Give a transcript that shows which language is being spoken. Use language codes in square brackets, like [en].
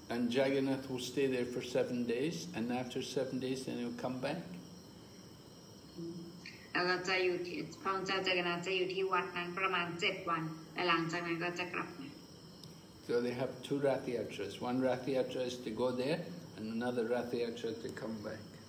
[en] And Jagannath will stay there for 7 days, and after 7 days, then he'll come back. [th] แล้วก็จะอยู่ที่พระองค์เจ้าจักรนันท์จะอยู่ที่วัดนั้นประมาณ7 วันและหลังจากนั้นก็จะกลับมา [en] So they have 2 Rathiyatras. One Rathiyatra is to go there, and another Rathiyatra to come back.